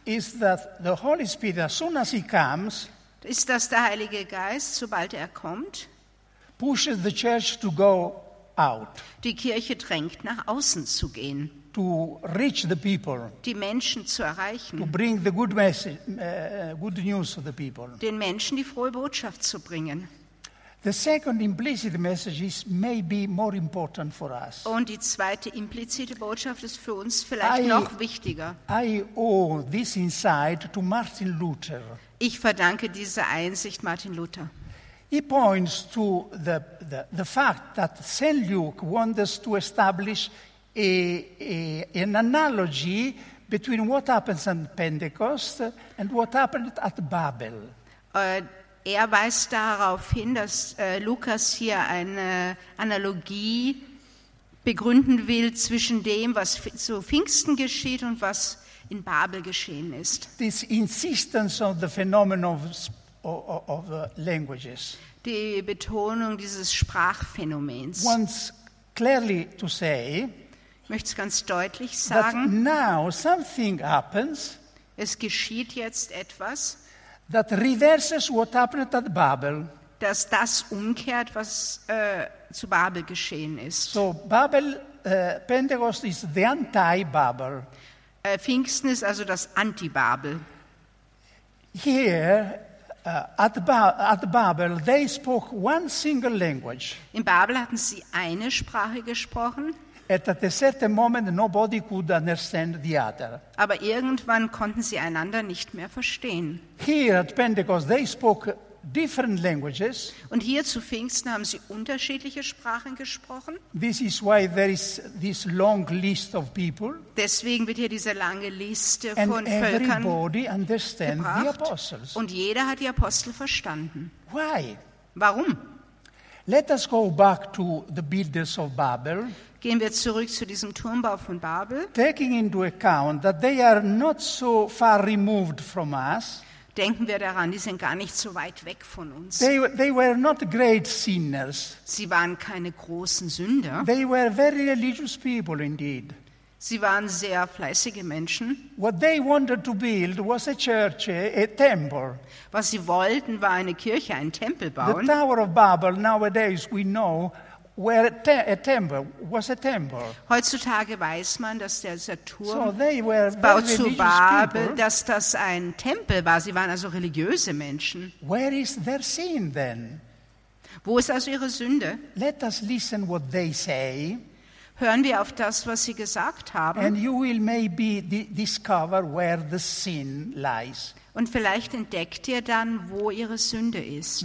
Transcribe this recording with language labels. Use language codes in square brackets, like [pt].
[en] ist, that the Holy Spirit, as soon as he comes, [de] ist, dass der Heilige Geist, sobald er kommt, [en] pushes the church to go out. [de] Die Kirche drängt, nach außen zu gehen. [en] To reach the people. [de] Die Menschen zu erreichen. [en] To bring the good message, good news to the people. [de] Den Menschen die frohe Botschaft zu bringen. [en] The second implicit message is maybe more important for us. [de] Und die zweite implizite Botschaft ist für uns vielleicht noch wichtiger. [en] I owe this insight to Martin Luther. [de] Ich verdanke diese Einsicht Martin Luther. [en] He points to the fact that St. Luke wants to establish an analogy between what happens at Pentecost and what happened at Babel. [de] Er weist darauf hin, dass Lukas hier eine Analogie begründen will zwischen dem, was zu Pfingsten geschieht und was in Babel geschehen ist. [en] This insistence on the phenomenon of languages. [de] Die Betonung dieses Sprachphänomens. [en] Once clearly to say, [de] ich möchte es ganz deutlich sagen, [en] that now something happens, [de] es geschieht jetzt etwas, [en] that reverses what happened at Babel. [de] Dass das umkehrt, was zu Babel geschehen ist. [en] So Babel, Pentecost is the anti-Babel. [de] Pfingsten ist also das Anti-Babel. [en] Here, at Babel, they spoke one single language. [de] In Babel hatten sie eine Sprache gesprochen. [en] At a certain moment, nobody could understand the other. [de] Aber irgendwann konnten sie einander nicht mehr verstehen. [en] Here at Pentecost, they spoke different languages. [de] Und hier zu Pfingsten haben sie unterschiedliche Sprachen gesprochen. [en] This is why there is this long list of people. [de] Deswegen wird hier diese lange Liste von Völkern [en] everybody understand gebracht. The apostles. [de] Und jeder hat die Apostel verstanden. [en] Why? [de] Warum? [en] Let us go back to the builders of Babel. [de] Gehen wir zurück zu diesem Turmbau von Babel. [en] Taking into account that they are not so far removed from us. [de] Denken wir daran, die sind gar nicht so weit weg von uns. [en] They were not great sinners. [de] Sie waren keine großen Sünder. [en] They were very religious people indeed. [de] Sie waren sehr fleißige Menschen. [en] What they wanted to build was a church, a temple. [de] Was sie wollten, war eine Kirche, einen Tempel bauen. [en] The Tower of Babel, nowadays we know, where a temple. [de] Heutzutage weiß man, dass der Turm Bau zu Babel, dass das ein Tempel war. Sie waren also religiöse Menschen. [en] Where is their sin then? [de] Wo ist also ihre Sünde? [en] Let us listen what they say. [de] Hören wir auf das, was sie gesagt haben. [en] And you will maybe discover where the sin lies. [de] Und vielleicht entdeckt ihr dann, wo ihre Sünde ist.